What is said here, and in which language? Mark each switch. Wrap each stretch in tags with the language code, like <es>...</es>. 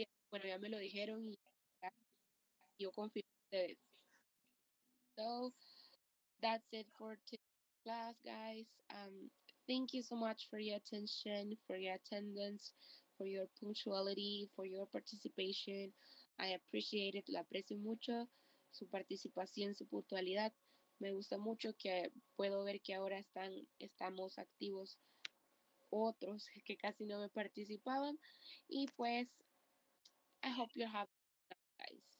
<es>Bueno, ya me lo dijeron y ya, yo confío en ustedes.</es> <en>So, that's it for today. Class, guys, thank you so much for your attention, for your attendance, for your punctuality, for your participation. I appreciate it.</en> <es>Lo aprecio mucho su participación, su puntualidad. Me gusta mucho que puedo ver que ahora estamos activos otros que casi no me participaban. Y pues,</es> <en>I hope you have fun, guys.</en>